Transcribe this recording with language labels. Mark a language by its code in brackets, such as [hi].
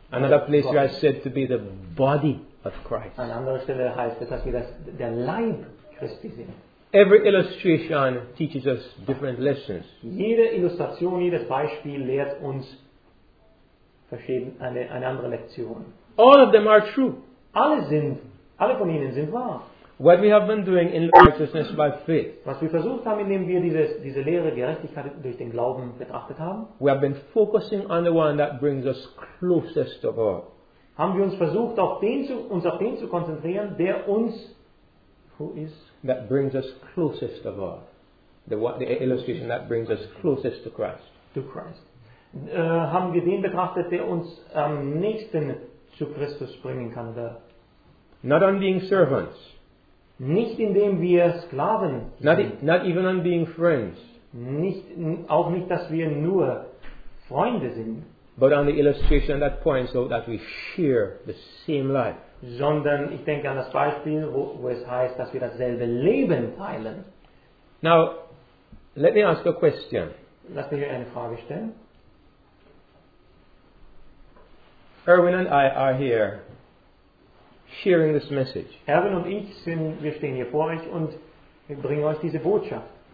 [en] Another place we are said to be the body of Christ. [de] An einer anderen Stelle heißt es, dass wir der Leib Christi sind. [en] Every illustration teaches us different lessons. [de] Jede Illustration, jedes Beispiel lehrt uns eine andere Lektion. [en] All of them are true. [de] Alle von ihnen sind wahr. [en] What we have been doing in righteousness by faith. [de] Was wir versucht haben, indem wir diese Lehre Gerechtigkeit durch den Glauben betrachtet haben. [en] We have been focusing on the one that brings us closest to God. [de] Haben wir uns versucht, auf den zu konzentrieren, der uns, [en] who is? That brings us closest to God. The illustration that brings us closest to Christ. To Christ. [de] Haben wir den betrachtet, der uns am nächsten zu Christus bringen kann. [en] Not on being servants. [de] Nicht indem wir Sklaven sind. [en] Not even on being friends. [de] Auch nicht, dass wir nur Freunde sind. [en] but on the illustration that points out that we share the same life. [de] Sondern ich denke an das Beispiel, wo es heißt, dass wir dasselbe Leben teilen. [en] Now, let me ask a question. [de] Lass mich eine Frage stellen. [en] Erwin and I are here sharing this message. [de] Erwin und ich sind, wir stehen hier vor euch und wir bringen euch diese Botschaft.